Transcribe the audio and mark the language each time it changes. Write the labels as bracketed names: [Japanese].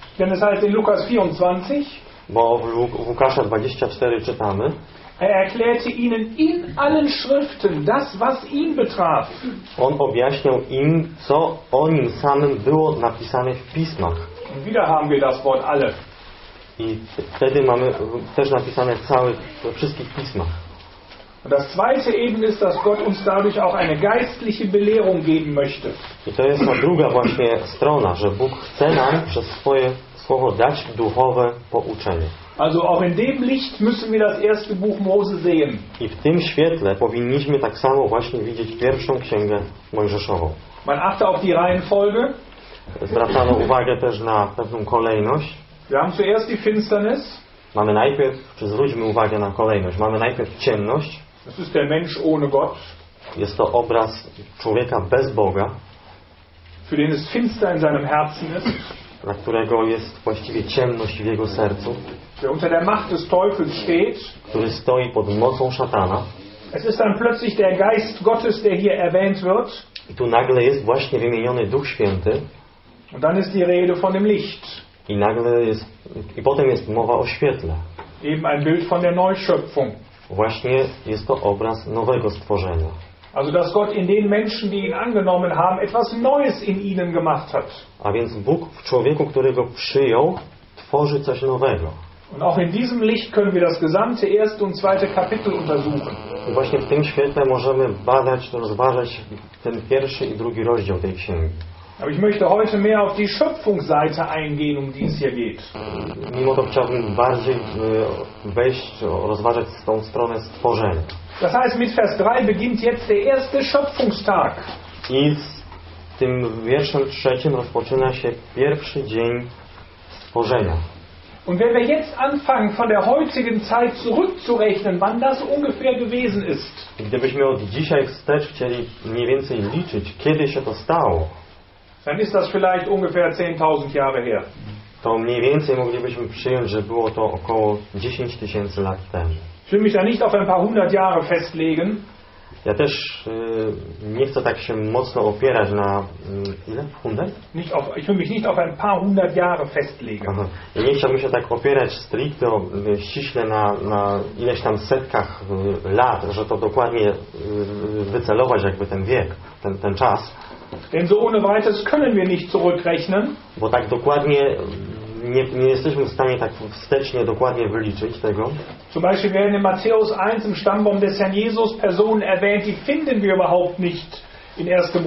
[German] Denn es heißt in Lukas 24, [Polish] bo w Łukasza 24 czytamy. [German] Er erklärte ihnen in allen Schriften das, was ihn betraf. [Polish] On objaśniał im, co o nim samym było napisane w pismach. [German] Und wieder haben wir das Wort alle. [Polish] I wtedy mamy też napisane całe we wszystkich pismach. [German] Und das zweite eben ist, dass Gott uns dadurch auch eine geistliche Belehrung geben möchte. [Polish] I to jest ta druga właśnie strona, że Bóg chce nam przez swoje słowo dać duchowe pouczenie. [German] Also auch in dem Licht müssen wir das erste Buch Mose sehen. [Polish] I w tym świetle powinniśmy tak samo właśnie widzieć pierwszą księgę Mojżeszową. [German] Man achte auf die Reihenfolge. [Polish] Zwracamy uwagę też na pewną kolejność. [German] Wir haben zuerst die Finsternis. [Polish] Mamy najpierw, czy zwróćmy uwagę na kolejność, mamy najpierw ciemność. [German] Das ist der Mensch ohne Gott. [Polish] Jest to obraz człowieka bez Boga. [German] Für den es finster in seinem Herzen ist. [Polish] Dla którego jest właściwie ciemność w jego sercu. [German] Der unter der Macht des Teufels steht. [Polish] Który stoi pod mocą szatana. [German] Es ist dann plötzlich der Geist Gottes, der hier erwähnt wird. [Polish] I tu nagle jest właśnie wymieniony Duch Święty. [German] Und dann ist die Rede von dem Licht. [Polish] I nagle jest, i potem jest mowa o świetle. [German] Eben ein Bild von der Neuschöpfung. [Polish] Właśnie jest to obraz nowego stworzenia. [German] Also, dass Gott in den Menschen, die ihn angenommen haben, etwas Neues in ihnen gemacht hat. [Polish] A więc Bóg w człowieku, który go przyjął, tworzy coś nowego. [German] Und auch in diesem Licht können wir das gesamte erste und zweite Kapitel untersuchen. [Polish] I właśnie w tym świetle możemy badać, rozważać ten pierwszy i drugi rozdział tej księgi. [German] Aber ich möchte heute mehr auf die Schöpfungsseite eingehen, um die es hier geht. [Polish] Mimo to chciałbym bardziej wejść, rozważać tą stronę stworzenia. [German] Das heißt, mit Vers 3 beginnt jetzt der erste Schöpfungstag. [Polish] I z tym wierszem trzecim rozpoczyna się pierwszy dzień stworzenia. [German] Und wenn wir jetzt anfangen, von der heutigen Zeit zurückzurechnen, wann das ungefähr gewesen ist. [Polish] Gdybyśmy od dzisiaj wstecz chcieli mniej więcej liczyć, kiedy się to stało. [German] Dann ist das vielleicht ungefähr 10.000 Jahre her. [Polish] To mniej więcej moglibyśmy przyjąć, że było to około 10 tysięcy lat temu. [German] Ich will mich da nicht auf ein paar hundert Jahre festlegen. [Polish] Ja też nie chcę tak się mocno opierać na ile? 100? [German] Nicht auf, ich will mich nicht auf ein paar hundert Jahre festlegen. [Polish] Ja nie chciałbym się tak opierać stricte, ściśle na ileś tam setkach lat, że to dokładnie wycelować jakby ten wiek, ten czas. [German] Denn so ohne weiteres können wir nicht zurückrechnen. [Polish] Bo tak dokładnie nie jesteśmy w stanie tak wstecznie dokładnie wyliczyć tego. [German] Zum Beispiel werden in Matthäus 1 im Stammbaum des Herrn Jesus Personen erwähnt, die finden wir überhaupt nicht in 1.